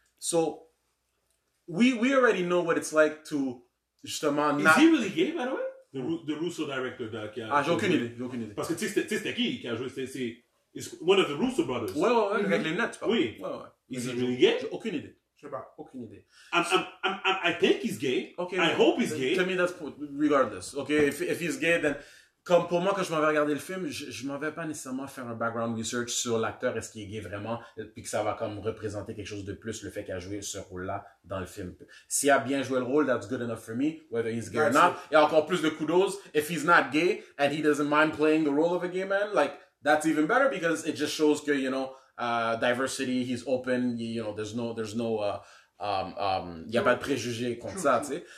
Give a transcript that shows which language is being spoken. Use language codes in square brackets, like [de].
[en] So, we already know what it's like to, justement, not... Is he really gay, by the way? The Russo director [fr] qui a... Ah, j'ai aucune idée. Parce que tu sais, c'était qui a joué? [en] C'est one of the Russo brothers. [fr] Ouais, avec les lunettes, tu parles. Oui. Ouais. [en] Is he really gay? [fr] J'ai aucune idée. Je sais pas, aucune idée. [en] I think he's gay. Okay, I hope he's gay. To me, that's regardless. Okay, if he's gay, then [fr] comme pour moi, quand je m'en vais regarder le film, je m'en vais pas nécessairement faire un background research sur l'acteur, est-ce qu'il est gay vraiment, puis que ça va comme représenter quelque chose de plus, le fait qu'il a joué ce rôle-là dans le film. S'il a bien joué le rôle, [en] that's good enough for me, whether he's gay or not. [fr] Et encore plus de kudos, [en] if he's not gay and he doesn't mind playing the role of a gay man, like, that's even better because it just shows [fr] que, [en] you know, diversity, he's open, you know, [fr] il y a pas de préjugés contre ça, tu sais.